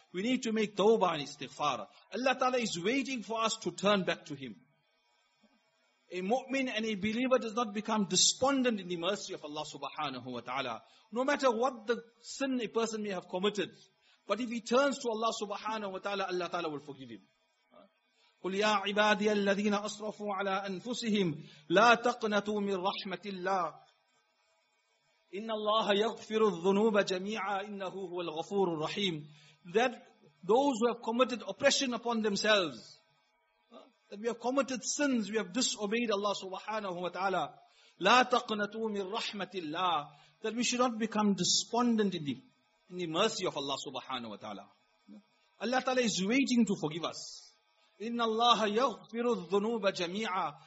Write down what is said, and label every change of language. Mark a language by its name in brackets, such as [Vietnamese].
[English] We need to make tawbah and istighfar. Allah ta'ala is waiting for us to turn back to Him. A mu'min and a believer does not become despondent in the mercy of Allah subhanahu wa ta'ala. No matter what the sin a person may have committed, but if he turns to Allah subhanahu wa ta'ala, Allah ta'ala will forgive him. [Arabic] قُلْ يَا عِبَادِيَ الَّذِينَ أَصْرَفُوا عَلَىٰ أَنفُسِهِمْ لَا تَقْنَتُوا مِنْ رَحْمَةِ اللَّهِ إن الله يغفر الذنوب جميعا إنه هو الغفور الرحيم. [English] That those who have committed oppression upon themselves, that we have committed sins, we have disobeyed Allah subhanahu wa ta'ala. [Arabic] لا تقنطوا من رحمة الله. [English] That we should not become despondent in the mercy of Allah subhanahu wa ta'ala. Allah ta'ala is waiting to forgive us. [Arabic] إن الله يغفر الذنوب جميعا.